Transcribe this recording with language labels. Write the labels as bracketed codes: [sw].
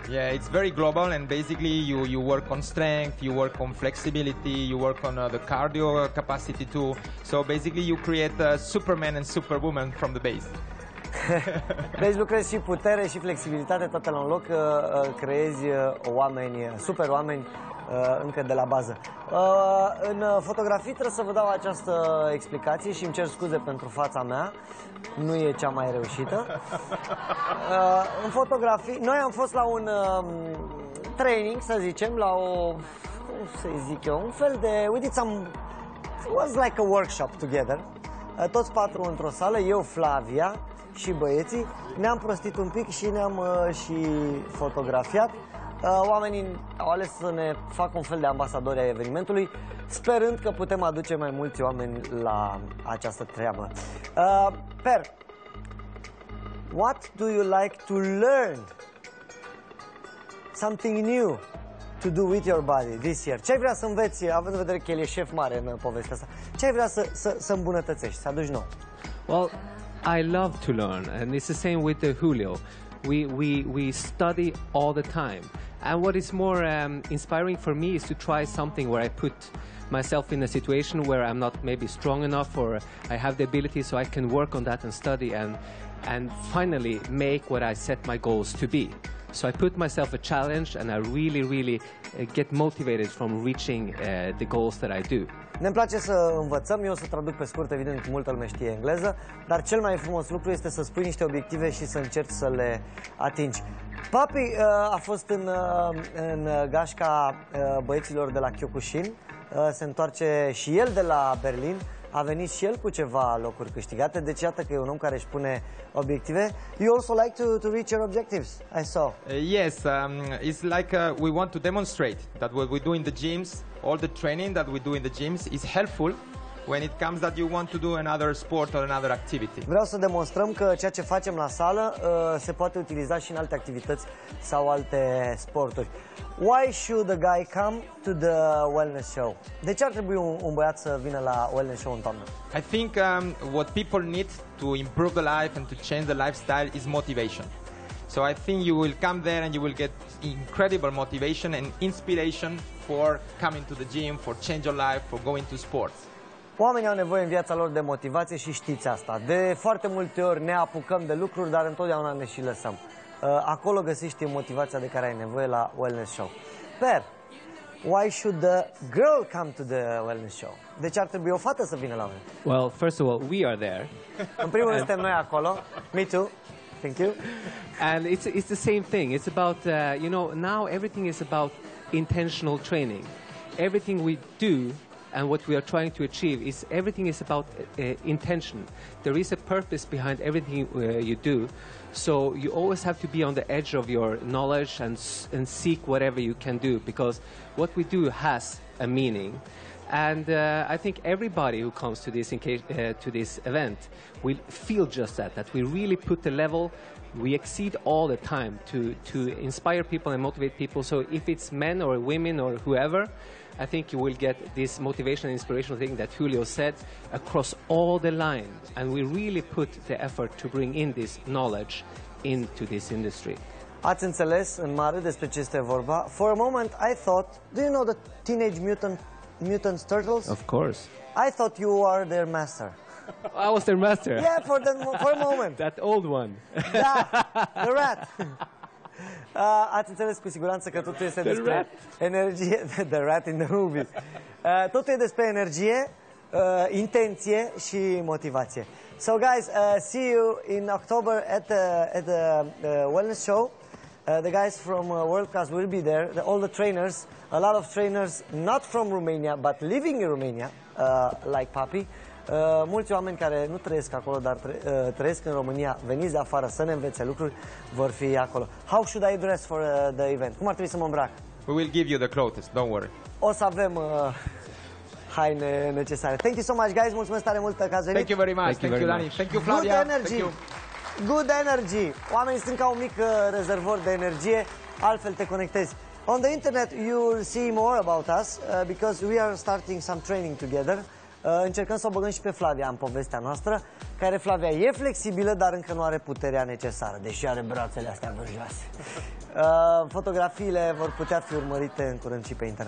[en] Yeah, it's very global, and basically you work on strength, you work on flexibility, you work on the cardio capacity too. So basically you create a Superman and Superwoman from the base. [ro] Deci lucrezi și putere și flexibilitate toate la un loc, creezi oameni, super oameni încă de la bază. În fotografii trebuie să vă dau această explicație și îmi cer scuze pentru fața mea, nu e cea mai reușită. În fotografii, noi am fost la un training, să zicem, la o, cum să zic eu, un fel de, [en] we did some, it was like a workshop together. [ro] Toți patru într-o sală, eu, Flavia și băieții, ne-am prostit un pic și ne-am și fotografiat. Oamenii au ales să ne facă un fel de ambasadori ai evenimentului, sperând că putem aduce mai mulți oameni la această treabă. [en] Per, what do you like to learn? Something new to do with your body this year. [ro] Ce vrea să înveți, având în vedere că el e șef mare în povestea asta? Ce vrea să îmbunătățești, să aduci nou? [en] Well, I love to learn, and it's the same with Julio. We study all the time. And what is more inspiring for me is to try something where I put myself in a situation where I'm not maybe strong enough, or I have the ability, so I can work on that and study and finally make what I set my goals to be. So I put myself a challenge, and I really, really get motivated from reaching the goals that I do. [ro] Ne-mi place să învățăm, eu o să traduc pe scurt, evident, multă lume știe engleză, dar cel mai frumos lucru este să spui niște obiective și să încerci să le atingi. Papi a fost în gașca băieților de la Kyokushin, se întoarce și el de la Berlin, a venit și el cu ceva locuri câștigate, deci iată că e un om care își pune obiective. [en] You also like to reach your objectives, I saw. Yes, it's like we want to demonstrate that what we do in the gyms, all the training that we do in the gyms is helpful when it comes that you want to do another sport or another activity. [ro] Vreau să demonstrăm că ceea ce facem la sală se poate utiliza și în alte activități sau alte sporturi. [en] Why should a guy come to the wellness show? [ro] De ce ar trebui un băiat să vină la wellness show în toamnă? [en] I think what people need to improve the life and to change the lifestyle is motivation. So I think you will come there and you will get incredible motivation and inspiration for coming to the gym, for change your life, for going to sports. [ro] Oamenii au nevoie în viața lor de motivație și știți asta. De foarte multe ori ne apucăm de lucruri, dar întotdeauna ne și lăsăm. Acolo găsești motivația de care ai nevoie la Wellness Show. [en] Per, why should the girl come to the Wellness Show? [ro] De ce ar trebui o fată să vină la noi? [en] Well, first of all, we are there. [ro] În primul rând, suntem noi acolo. [en] Me too. Thank you. And it's the same thing. It's about, you know, now everything is about intentional training. Everything we do and what we are trying to achieve is everything is about intention. There is a purpose behind everything you do. So you always have to be on the edge of your knowledge and seek whatever you can do, because what we do has a meaning. And I think everybody who comes to this to this event will feel just that we really put the level, we exceed all the time to inspire people and motivate people. So if it's men or women or whoever, I think you will get this motivation and inspirational thing that Julio said across all the line. And we really put the effort to bring in this knowledge into this industry. [ro] Ați înțeles în mare despre ce este vorba? [en] For a moment I thought, do you know the Teenage Mutant Turtles? Of course. I thought you are their master. I was their master. Yeah, for a moment. That old one. [ro] Da, [en] the rat. [ro] Ați înțeles cu siguranță că totul este despre energie. [en] The rat in the movie. [ro] Totul e despre energie, intenție și motivație. [en] So guys, see you in October at the Wellness Show. The guys from World Class will be there. All the trainers, a lot of trainers, not from Romania, but living in Romania, like Papi. [ro] Mulți oameni care nu trăiesc acolo, dar trăiesc în România, veniți de afară să ne învețe lucruri, vor fi acolo. [en] How should I dress for the event? [ro] Cum ar trebui să mă îmbrac? [en] We will give you the clothes, don't worry. [ro] O să avem haine necesare. [en] Thank you so much, guys. [ro] Mulțumesc tare mult că ați venit. [en] Thank you very much. Thank you, Dani. Thank you, Flavia. Good energy. Good energy. [ro] Oamenii sunt ca un mic rezervor de energie, altfel te conectezi. [en] On the internet, you'll see more about us because we are starting some training together. [ro] Încercăm să o băgăm și pe Flavia în povestea noastră, care Flavia e flexibilă, dar încă nu are puterea necesară, deși are brațele astea vârjoase. Fotografiile vor putea fi urmărite în curând și pe internet.